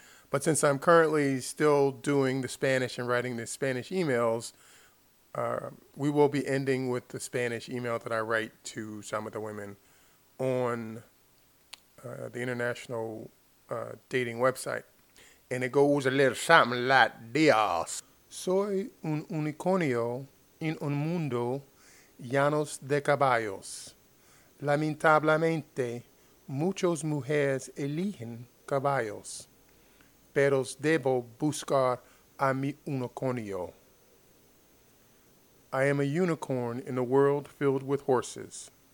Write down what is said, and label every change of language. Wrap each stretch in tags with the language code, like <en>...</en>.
<en>But since I'm currently still doing the Spanish and writing the Spanish emails, we will be ending with the Spanish email that I write to some of the women on the international dating website. And it goes a little something like this.</en> <es>Soy un unicornio en un mundo llanos de caballos. Lamentablemente, muchas mujeres eligen caballos, pero debo buscar a mi unicornio.</es> <en>I am a unicorn in a world filled with horses.</en>